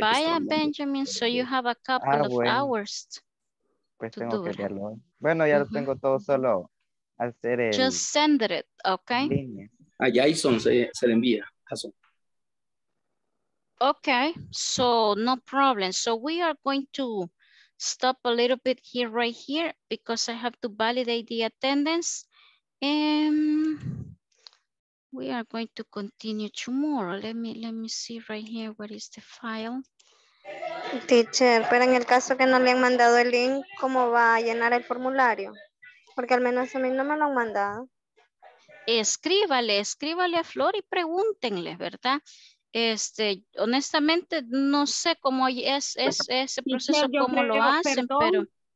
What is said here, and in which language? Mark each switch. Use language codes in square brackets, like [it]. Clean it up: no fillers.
[en] Vaya, Benjamin, so you have a couple of hours. [es] Pues tengo que verlo. Bueno, ya lo tengo todo solo hacer el... [en] Just send it, ok. [es] A Jason se le envía. Jason. [en] Ok, so no problem. So we are going to stop a little bit here, right here, because I have to validate the attendance. We are going to continue tomorrow. Let me see right here, what is the file? [es] Teacher, pero en el caso que no le han mandado el link, ¿cómo va a llenar el formulario? Porque al menos a mí no me lo han mandado. Escríbale a Flor y pregúntenle, ¿verdad? Honestamente, no sé cómo es ese proceso, sí, cómo lo hacen, perdón, pero...